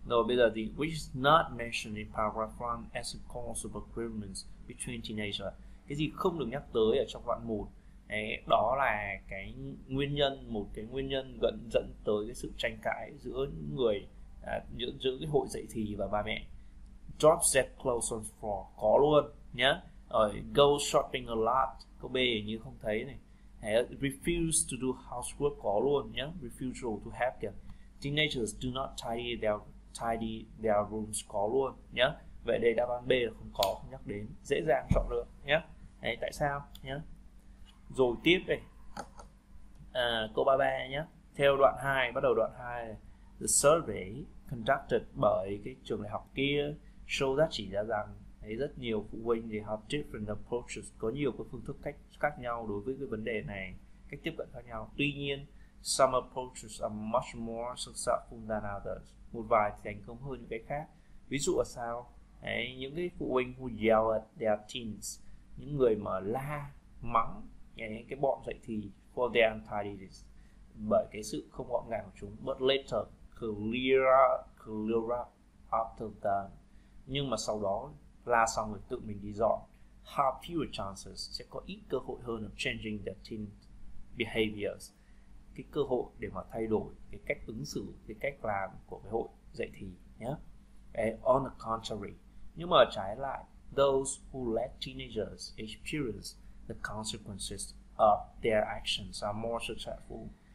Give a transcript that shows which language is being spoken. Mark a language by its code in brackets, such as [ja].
[vi] Rồi bây giờ thì [en] which is not mentioned in paragraph 1 as a cause of agreements between teenagers. [vi] Cái gì không được nhắc tới ở trong đoạn 1? Đó là cái nguyên nhân, một cái nguyên nhân gần dẫn tới cái sự tranh cãi giữa người giữa cái hội dậy thì và ba mẹ. [en] Drop set clothes on floor [vi] có luôn nhá. Rồi [en] go shopping a lot, [vi] câu B như không thấy này. [en] Refuse to do housework [vi] có luôn nhá. [en] Refusal to help kìa. Teenagers do not tidy their rooms [vi] có luôn nhá. Vậy đây đáp án B là không có, không nhắc đến, dễ dàng chọn được nhá. Tại sao nhá? Rồi tiếp đây. Câu 33 nhé. Theo đoạn 2, bắt đầu đoạn 2. [en] The survey conducted [vi] bởi cái trường đại học kia [en] show that [vi] chỉ ra rằng rất nhiều phụ huynh thì [en] have different approaches, [vi] có nhiều cái phương thức cách khác nhau đối với cái vấn đề này, cách tiếp cận khác nhau. Tuy nhiên, [en] some approaches are much more successful than others. [vi] Một vài thì thành công hơn những cái khác. Ví dụ là sao? Những cái phụ huynh [en] who yell at their teens, [vi] những người mà la, mắng cái bọn dậy thì [en] for the untidiness, [vi] bởi cái sự không gọn gàng của chúng. [en] But later clear up after them, [vi] nhưng mà sau đó la xong rồi tự mình đi dọn. [en] Have fewer chances, [vi] sẽ có ít cơ hội hơn [en] of changing their teen behaviors, [vi] cái cơ hội để mà thay đổi cái cách ứng xử, cái cách làm của cái hội dậy thì nhé. [en] On the contrary, [vi] nhưng mà trái lại, [en] those who let teenagers experience the consequences of their actions are more successful.